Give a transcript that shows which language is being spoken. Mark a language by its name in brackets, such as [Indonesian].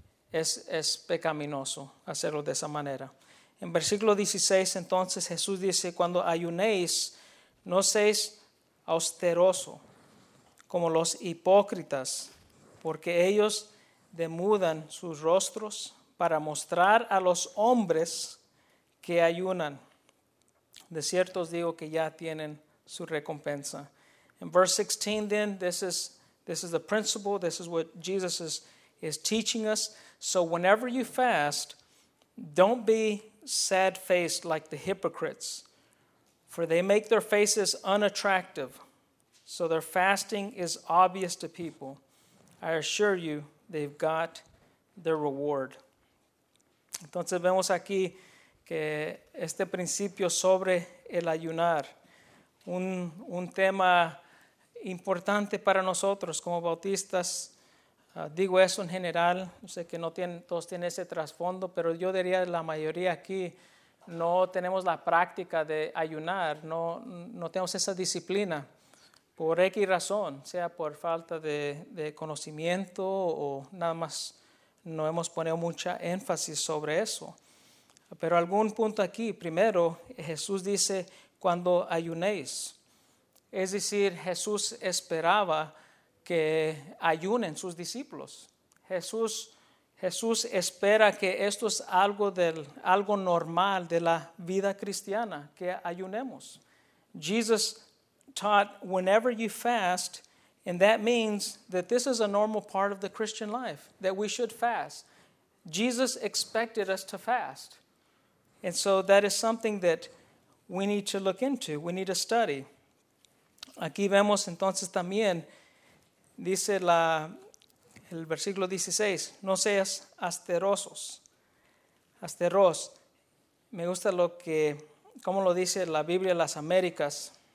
[Spanish] Es pecaminoso hacerlo de esa manera. En versículo 16, entonces, Jesús dice, cuando ayunéis, no seáis austeroso como los hipócritas, porque ellos demudan sus rostros para mostrar a los hombres que ayunan. De cierto os digo que ya tienen su recompensa. [English] In verse 16, then, this is the principle. This is what Jesus is teaching us. So whenever you fast, don't be sad-faced like the hypocrites, for they make their faces unattractive, so their fasting is obvious to people. I assure you, they've got their reward. [Spanish] Entonces vemos aquí que este principio sobre el ayunar, un tema importante para nosotros como bautistas. Digo eso en general, sé que no tienen, todos tienen ese trasfondo, pero yo diría la mayoría aquí no tenemos la práctica de ayunar, no tenemos esa disciplina por X razón, sea por falta de conocimiento o nada más no hemos puesto mucha énfasis sobre eso. Pero algún punto aquí, primero, Jesús dice cuando ayunéis. Es decir, Jesús esperaba que ayunen sus discípulos. Jesús espera que esto es algo normal de la vida cristiana, que ayunemos. [English] Jesus taught whenever you fast, and that means that this is a normal part of the Christian life, that we should fast. Jesus expected us to fast. And so that is something that we need to look into, we need to study. [Spanish] Aquí vemos entonces también, dice el versículo 16, no seas asterosos. Asteros, me gusta lo que, como lo dice la Biblia de las Américas.